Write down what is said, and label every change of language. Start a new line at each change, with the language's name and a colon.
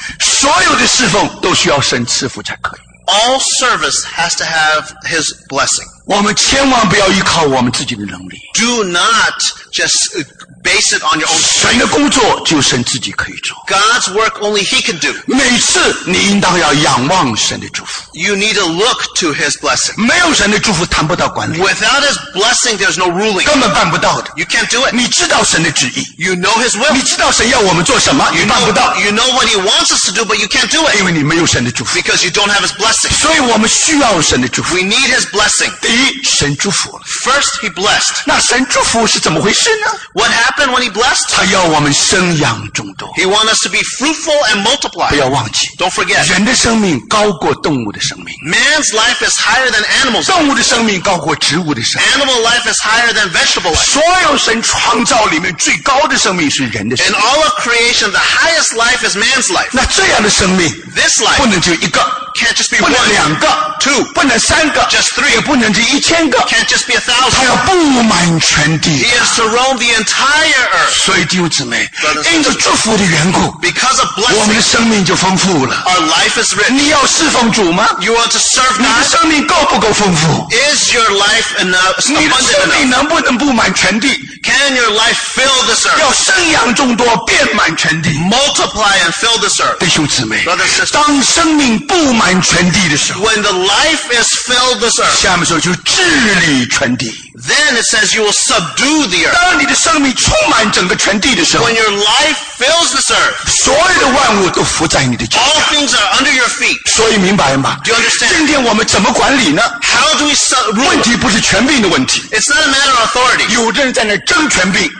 Chinese: 所有的侍奉都需要神赐福才可以。
English: All service has to have his blessing.
Chinese: 我们千万不要依靠我们自己的能力。
English: Do not just base it on your own strength.
Chinese: 神的工作就神自己可以做。
English: God's work only he can do.
Chinese: 每次你应当要仰望神的祝福。
English: You need to look to his blessing.
Chinese: 没有神的祝福谈不到管理。
English: Without his blessing, there's no ruling.
Chinese: 根本办不到的。
English: You can't do it.
Chinese: 你知道神的旨意。
English: You know his will.
Chinese: 你知道神要我们做什么，你办不到。
English: You know what he wants us to do, but you can't do it.
Chinese: 因为你没有神的祝福。
English: Because you don't have his blessing.
Chinese: 所以我们需要神的祝福。
English: We need his blessing.
Chinese: 第一，神祝福了。
English: First, he blessed.
Chinese: 那神祝福是怎么回事呢？
English: What happened when he blessed?
Chinese: 他要我们生养众多。
English: He wants us to be fruitful and multiply.
Chinese: 不要忘记。
English: Don't forget.
Chinese: 人的生命高过动物的。生命
English: Man's life is higher than animals.
Chinese: 动物的生命高过植物的生命。
English: Animal life is higher than vegetable life.
Chinese: 所有神创造里面最高的生命是人的生命。
English: In all of creation, the highest life is man's life.
Chinese: 那这样的生命
English: This life
Chinese: 不能只有一个
English: Can't just be one.
Chinese: 不能两个
English: Two.
Chinese: 不能三个
English: Just three.
Chinese: 也不能只一千个
English: Can't just be a thousand.
Chinese: 他要布满全地。
English: He has to roam the entire earth.
Chinese: 所以弟兄姊妹，因着祝福的缘故
English: Because of blessing,
Chinese: 我们的生命就丰富了。
English: Our life is rich.
Chinese: 你要侍奉主吗？
English: You want to serve God?
Chinese: 你的生命够不够丰富？
English: Is your life enough?
Chinese: 你的生命能不能布满全地？
English: Can your life fill the earth?
Chinese: 要生养众多，遍满全地。
English: Multiply and fill the earth.
Chinese: 弟兄姊妹，
English: Brother, sister,
Chinese: 当生命布满全地的时候，
English: When the life is filled the earth,
Chinese: 下面说就治理全地。
English: Then it says you will subdue the earth.
Chinese: 当你的生命充满整个全地的时候，
English: When your life fills the earth,
Chinese: 所有的万物都伏在你的脚下。
English: All things are under your feet.
Chinese: 所以明白吗？
English: Do you understand?
Chinese: 今天我们怎么管理呢？
English: How do we rule?
Chinese: 问题不是权柄的问题。
English: It's not a matter of authority.
Chinese: 有的人在那争权柄。